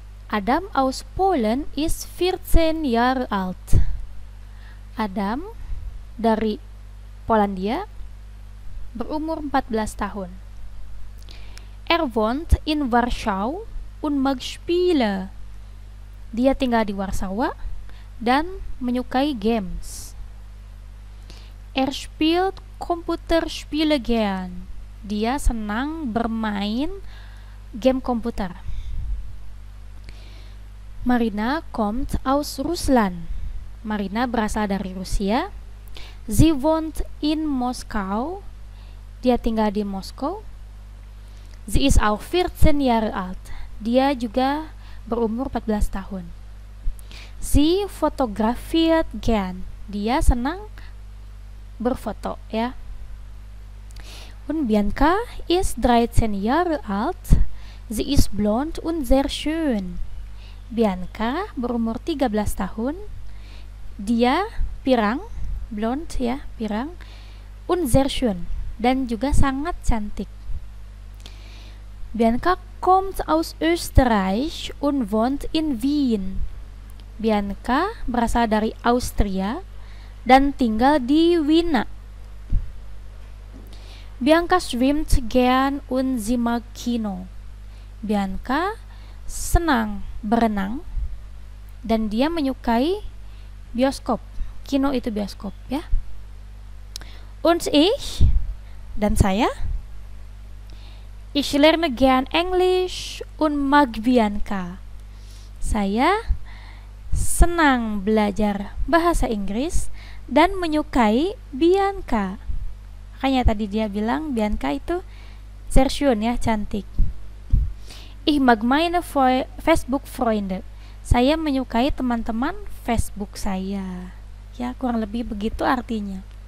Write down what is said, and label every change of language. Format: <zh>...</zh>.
<de>Adam aus Polen ist 14 Jahre alt.</de> <id>Adam dari Polandia berumur 14 tahun.</id> <de>Er wohnt in Warschau und mag Spiele.</de> <id>Dia tinggal di Warsawa dan menyukai games.</id> <de>Er spielt Computerspiele gern.</de> <id>Dia senang bermain game komputer.</id> <de>Marina kommt aus Russland.</de> <id>Marina berasal dari Rusia.</id> <de>Sie wohnt in Moskau.</de> <id>Dia tinggal di Moskow.</id> <de>Sie ist auch 14 Jahre alt.</de> <id>Dia juga berumur 14 tahun.</id> <de>Sie fotografiert gern.</de> <id>Dia senang berfoto ya.</id> <de>Und Bianca ist 13 Jahre alt. Sie ist blond und sehr schön.</de> <id>Bianca berumur 13 tahun. Dia pirang, blond ya, pirang</id> <de>und sehr schön</de> <id>dan juga sangat cantik.</id> <de>Bianca kommt aus Österreich und wohnt in Wien.</de> <id>Bianca berasal dari Austria dan tinggal di Wina.</id> <de>Bianca schwimmt gern und sie mag Kino.</de> <id>Bianca senang berenang dan dia menyukai bioskop. Kino itu bioskop ya.</id> <de>Und ich,</de> <id>dan saya,</id> <de>ich lerne gern Englisch und mag Bianca.</de> <id>Saya senang belajar bahasa Inggris dan menyukai Bianca. Makanya tadi dia bilang Bianca itu</id> <de>sehr schön</de> <id>ya, cantik.</id> <de>Ich mag meine Facebook Freunde.</de> <id>Saya menyukai teman-teman Facebook saya. Ya, kurang lebih begitu artinya.</id>